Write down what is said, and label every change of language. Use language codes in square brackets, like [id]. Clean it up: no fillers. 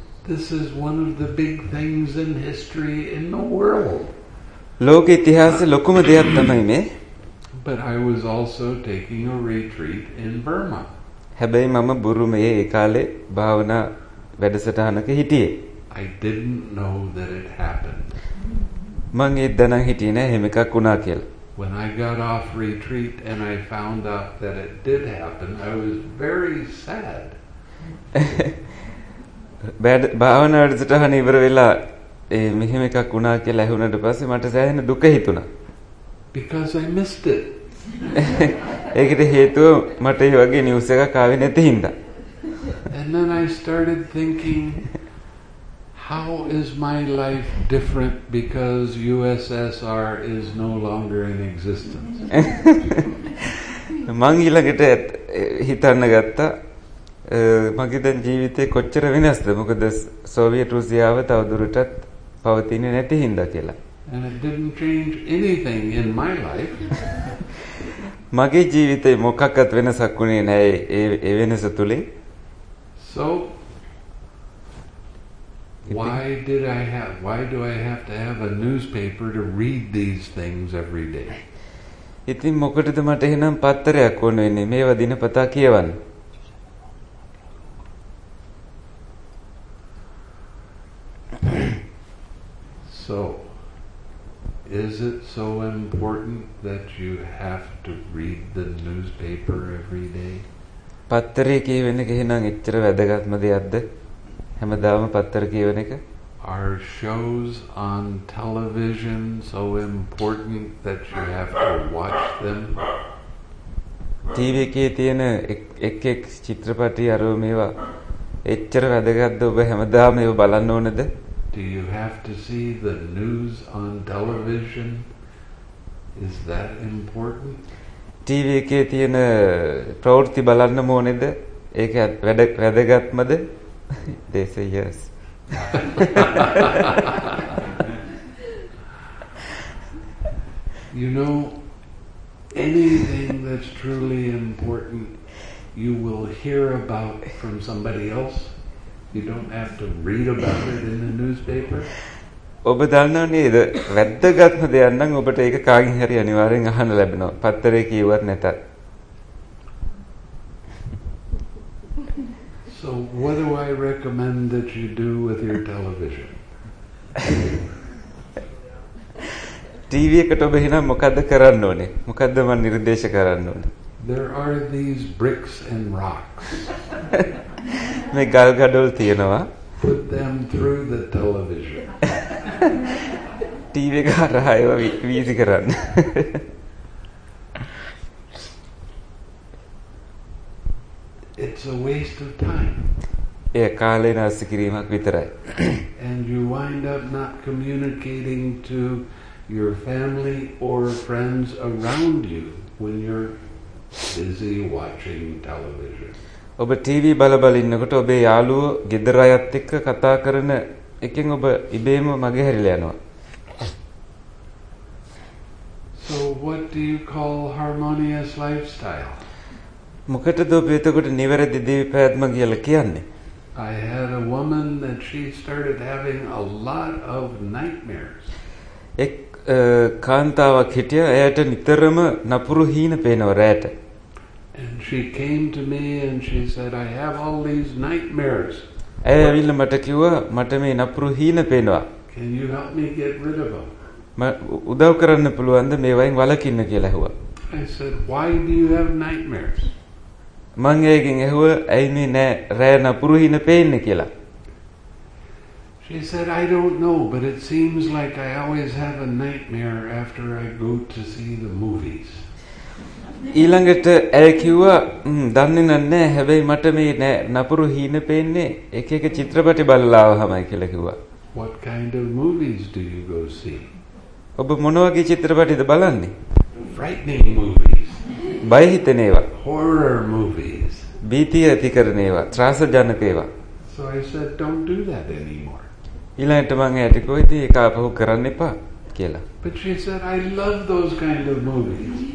[en] This is one of the big things in history in the world. [si] ලෝක ඉතිහාසයේ ලොකුම දෙයක් තමයි මේ. [en] But I was also taking a retreat in Burma. [si] හැබැයි මම බුරුමයේ ඒ කාලේ භාවනා වැඩසටහනක හිටියේ. [en] I didn't know that it happened. [si] මං ඒ දැනන් හිටියේ නෑ එහෙම එකක් වුණා කියලා. [en] When I got off retreat and I found out that it did happen, I was very sad. [si] Bad භාවනා වැඩසටහන ඉවර වෙලා ඒ මෙහෙම එකක් වුණා කියලා ඇහුනට පස්සේ මට සෑහෙන දුක හිතුණා. [en] Because I missed it. [si] ඒකට හේතුව මට ඒ වගේ නිවුස් එකක් ආවේ නැති හින්දා. [en] And then I started thinking, how is my life different because USSR is no longer in existence? [si] මං ඊළඟට හිතන්න ගත්තා මගේ දැන් ජීවිතේ කොච්චර වෙනස්ද මොකද සෝවියට් රුසියාව තවදුරටත් පවතින්නේ නැති හින්දා කියලා. [en] And it didn't change anything in my life. [si] මගේ ජීවිතේ මොකක්වත් වෙනසක් වුණේ නැහැ ඒ වෙනස තුලින්. [en] So why do I have to have a newspaper to read these things every day? [si] ඉතින් මොකටද මට එහෙනම් පත්තරයක් ඕන වෙන්නේ මේවා දිනපතා කියවන්න? Mm-hmm. [en] So, is it so important that you have to read the newspaper every day? [si] පත්තරේ කියවෙන එක එහෙනම් එච්චර වැදගත්ම දෙයක්ද? හැමදාම පත්තර කියවෙන එක? [en] Are shows on television so important that you have to watch them? [si] TV එකේ තියෙන එක් එක් චිත්‍රපටි අරව මේවා එච්චර වැදගත්ද ඔබ හැමදාම ඒවා බලන්න ඕනද? [en] Do you have to see the news on television? Is that important? [si] TV එකේ තියෙන ප්‍රවෘත්ති බලන්න ඕනේද? ඒක වැදගත්මද? [en] They say yes. You know, anything that's truly important, you will hear about from somebody else. You don't have to read about it in the newspaper. [si] ඔබ දන්නව නේද වැදගත්ම දෙයක් නම් ඔබට ඒක කාගෙන් හරි අනිවාර්යෙන් අහන්න ලැබෙනවා පත්තරේ කියවුවත් නැතත්. [en] So what do I recommend that you do with your television? [si] TV එකට ඔබ එහෙනම් මොකද්ද කරන්න ඕනේ? මොකද්ද මම නිර්දේශ කරන්න ඕනේ? [en] There are these bricks and rocks. [si] මේ ගල් ගඩොල් තියෙනවා. [en] Put them through the television. [si] TV එක හරහා ඒවා වීසි කරන්න. [en] It's a waste of time. [si] ඒ කාලේ නාස්ති කිරීමක් විතරයි. [en] And you wind up not communicating to your family or friends around you when you're busy watching television. [si] ඔබ TV බල බල ඉන්නකොට ඔබේ යාළුවෝ ගෙදර අයත් එක්ක කතා කරන එකෙන් ඔබ ඉබේම මගේ හැරිලා යනවා. [en] So what do you call harmonious lifestyle? [si] මොකටද ඔබ එතකොට නිවැරදි දිවි පැවැත්ම කියලා කියන්නේ? [en] I had a woman that she started having a lot of nightmares. [si] එක් කාන්තාවක් හිටියා එයාට නිතරම නපුරු හීන පේනවා රෑට. [en] And she came to me and she said, I have all these nightmares. [si] ඇවිල්ලා මට කිව්වා මට මේ නපුරු හීන පේනවා. [en] Can you help me get rid of them? [si] ම උදව් කරන්න පුළුවන්ද මේ වයින් වලකින්න කියලා ඇහුවා. [en] I said, why do you have nightmares? [si] මං ඒකින් ඇහුවා ඇයි මේ නෑ රෑ නපුරු හීන පේන්නේ කියලා. [en] She said, I don't know, but it seems like I always have a nightmare after I go to see the movies. [si] ඊළඟට ඇය කිව්වා දන්නේ නැහැ හැබැයි මට මේ නෑ නපුරු හීන පේන්නේ එක එක චිත්‍රපටි බලලා ආවමයි කියලා කිව්වා. [en] What kind of movies do you go see? [si] ඔබ මොන වගේ චිත්‍රපටිද බලන්නේ? [en] Frightening movies. [si] බය හිතෙන ඒවා. [en] Horror movies. [si] භීතිය ඇති කරන ඒවා, ත්‍රාසජනක ඒවා. [en] So I said don't do that anymore. [si] ඊළඟට මම ඇයට කිව්වා ඉතින් ඒක අපහු කරන්න එපා. කියලා. [en] But she said, I love those kind of movies.